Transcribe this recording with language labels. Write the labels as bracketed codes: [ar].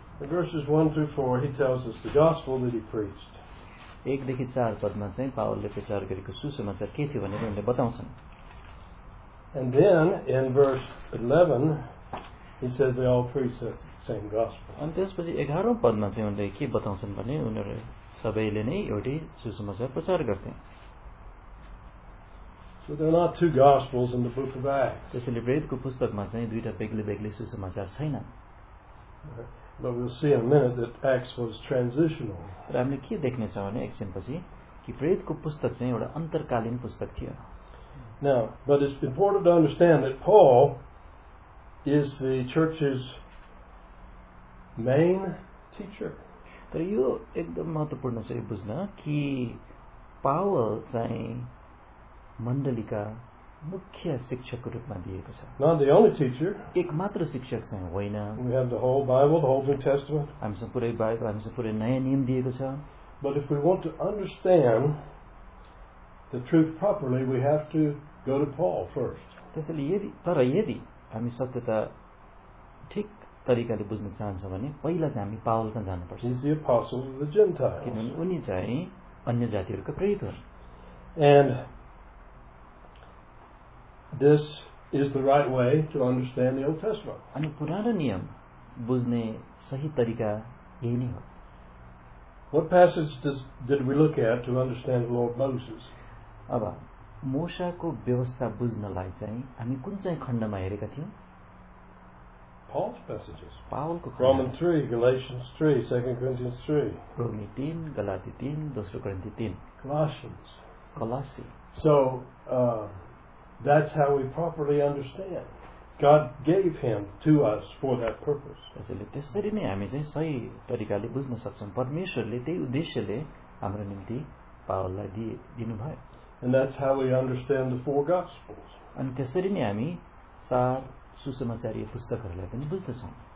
[en] Verses 1 through 4, he tells us the gospel that he preached. [ne] एक देखि चार पदमा चाहिँ पावलले प्रचार गरेको सुसमाचार के थियो भनेर उनले बताउँछन्. [en] And then in verse 11, he says they all preach the same gospel. [ne] अनि त्यसपछि 11 पदमा चाहिँ उनले के बताउँछन् भने उनीहरू सबैले नै एउटै सुसमाचार प्रचार गर्थे. [en] So there are not two gospels in the book of Acts. [ne] त्यसैले वेदको पुस्तकमा चाहिँ दुईटा बेग्लै बेग्लै सुसमाचार छैन. [en] But we'll see in a minute that Acts was transitional. [ne] र हामीले के देख्ने छौँ भने एकछिनपछि कि वेदको पुस्तक चाहिँ एउटा अन्तरकालीन पुस्तक थियो. [en] Now, but it's important to understand that Paul is the church's main teacher. [ne] तर यो एकदम महत्त्वपूर्ण छ बुझ्न कि पावल चाहिँ मण्डलीका मुख्य शिक्षकको रूपमा दिएको छ. [en] Not the only teacher. [ne] एक मात्र शिक्षक चाहिँ होइन. [en] We have the whole Bible, the whole New Testament. [ne] हामीसँग पुरै बाइबल, हामीसँग पुरै नयाँ नियम दिएको छ. [en] But if we want to understand the truth properly, we have to go to Paul first. [ne] त्यसैले यदि हामी सत्यता ठिक तरिकाले बुझ्न चाहन्छौँ भने पहिला चाहिँ हामी पावल कहाँ जानुपर्छ. [en] He's the apostle of the Gentiles. [ne] किनभने उनी चाहिँ अन्य जातिहरूको प्रेरित हुन्. [en] And this is the right way to understand the Old Testament. [ne] अनि पुरानो नियम बुझ्ने सही तरिका यही नै हो. [en] What passage did we look at to understand the law of Moses? [ne] अब मोशाको व्यवस्था बुझ्नलाई चाहिँ हामी कुन चाहिँ खण्डमा हेरेका थियौँ? [en] Paul's passages. [ne] पावलको [en] Romans 3, Galatians 3, 2 Corinthians 3. [ne] रोमी 3, गलाती 3, दोस्रो कोरिन्थी 3. [en] Colossians. [ne] कोलोसी. [en] So, that's how we properly understand. God gave him to us for that purpose. [ne] त्यसैले त्यसरी नै हामी चाहिँ सही तरिकाले बुझ्न सक्छौँ. परमेश्वरले त्यही उद्देश्यले हाम्रो निम्ति पावललाई दिनुभयो. [en] And that's how we understand the four gospels. [ne] अनि त्यसरी नै हामी चार सुसमाचारीय पुस्तकहरूलाई पनि बुझ्दछौँ.